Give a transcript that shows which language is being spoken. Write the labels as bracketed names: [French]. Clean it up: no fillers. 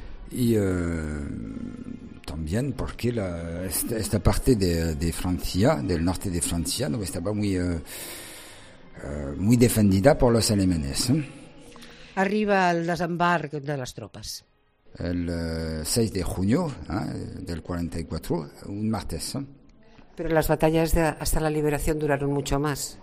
[Spanish] Y también porque esta parte de Francia, del norte de Francia, no estaba muy defendida por los alemanes. [Catalan] Arriba el desembarc de les tropes. [Spanish] El 6 de junio del 44, un martes. Pero las batallas hasta la liberación duraron mucho más.